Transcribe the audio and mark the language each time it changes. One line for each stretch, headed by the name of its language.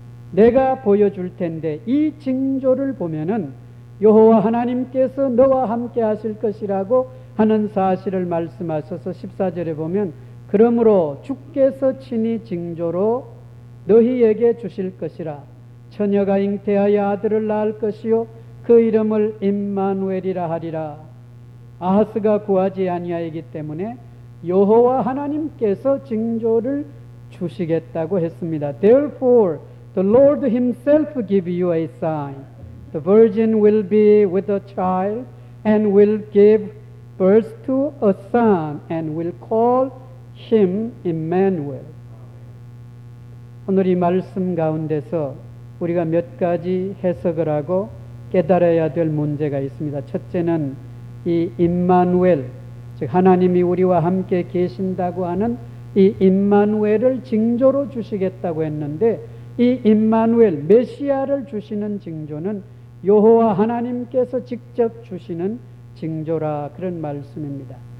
Korean: 내가 보여줄 텐데 이 징조를 보면은 여호와 하나님께서 너와 함께 하실 것이라고 하는 사실을 말씀하셔서 14절에 보면 그러므로 주께서 친히 징조로 너희에게 주실 것이라. 처녀가 잉태하여 아들을 낳을 것이요 그 이름을 임마누엘이라 하리라. 아하스가 구하지 아니하이기 때문에 여호와 하나님께서 징조를 주시겠다고 했습니다.
English: Therefore the Lord himself give you a sign. The virgin will be with a child and will give birth to a son and will call him Emmanuel.
Korean: 오늘 이 말씀 가운데서 우리가 몇 가지 해석을 하고 깨달아야 될 문제가 있습니다. 첫째는 이 임마누엘, 즉 하나님이 우리와 함께 계신다고 하는 이 임마누엘을 징조로 주시겠다고 했는데 이 임마누엘, 메시아를 주시는 징조는 여호와 하나님께서 직접 주시는 징조라 그런 말씀입니다.